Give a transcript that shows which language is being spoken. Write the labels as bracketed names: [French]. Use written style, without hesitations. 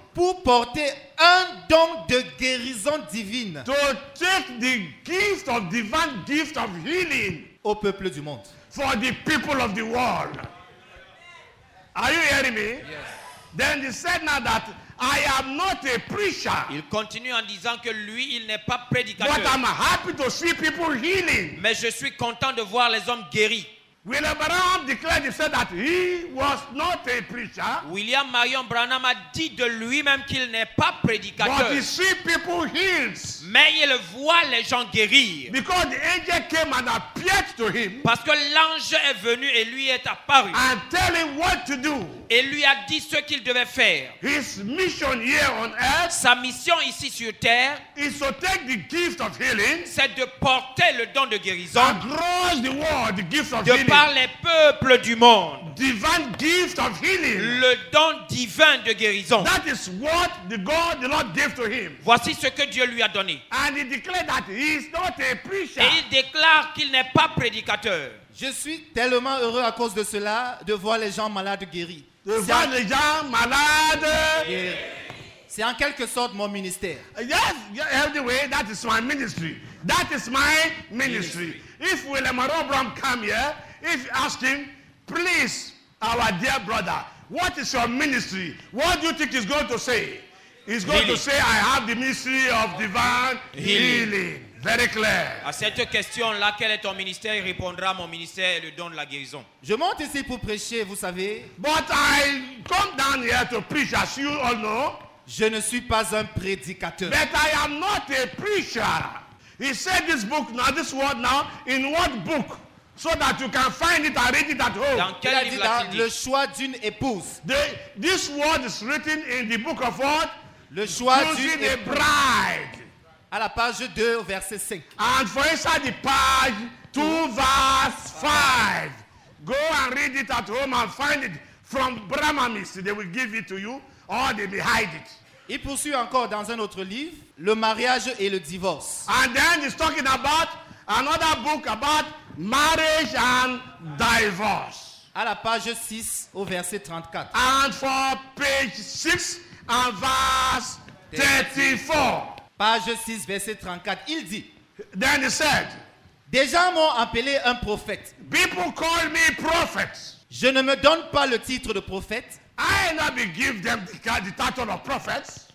[French] pour porter un don de guérison divine [English] to take the gift of divine gift of healing [French] au peuple du monde. [English] For the people of the world. Are you hearing me? Yes. Then he said now that I am not a preacher. [French] Il continue en disant que lui, il n'est pas prédicateur. [English] But I'm happy to see people healing. [French] Mais je suis content de voir les hommes guéris. [English] William Branham declared, he said that he was not a preacher. [French] William Marion Branham a dit de lui-même qu'il n'est pas prédicateur. [English] But he see people healed. [French] Mais il voit les gens guérir. [English] Because the angel came and appeared to him. [French] Parce que l'ange est venu et lui est apparu. [English] And tell him what to do. [French] Et lui a dit ce qu'il devait faire. [English] His mission here on earth. [French] Sa mission ici sur terre. [English] Is to take the gift of healing. [French] C'est de porter le don de guérison. [English] Across the world, the gift of healing. [French] Par les peuples du monde. [English] Divine gift of healing. [French] Le don divin de guérison. [English] That is what the God, the Lord gave to him. [French] Voici ce que Dieu lui a donné. [English] And he declared that he is not a preacher. [French] Et il déclare qu'il n'est pas prédicateur. Je suis tellement heureux à cause de cela de voir les gens malades guéris. De voir les gens malades guéris. C'est en quelque sorte mon ministère. [English] Yes, anyway, that is my ministry. That is my ministry. If William Abraham come here, if you ask him, please, our dear brother, what is your ministry? What do you think he's going to say? He's going to say, I have the ministry of divine healing. Very clear. [French] À cette question-là, quel est ton ministère? Il répondra, mon ministère est le don de la guérison. Je monte ici pour prêcher, vous savez. [English] But I come down here to preach, as you all know. [French] Je ne suis pas un prédicateur. [English] But I am not a preacher. He said this book now, this word now, in what book? So that you can find it and read it at home. [French] Dans quel livre l'a-t-il dit? Le choix d'une épouse. [English] This word is written in the book of what? [French] Le choix d'une épouse. [English] Choosing a bride. [French] À la page 2, verset 5. [English] And for inside the page 2, verse 5. Go and read it at home and find it from Brahmanist. They will give it to you or they will hide it. [French] Il poursuit encore dans un autre livre, le mariage et le divorce. [English] And then he's talking about another book about marriage and divorce. [French] À la page 6 au verset 34. [English] And for page 6 and verse 34. [French] Page 6 verset 34, il dit. [English] Then he said. [French] Des gens m'ont appelé un prophète. [English] People call me prophet. [French] Je ne me donne pas le titre de prophète. [English] I not be give them the title of prophets.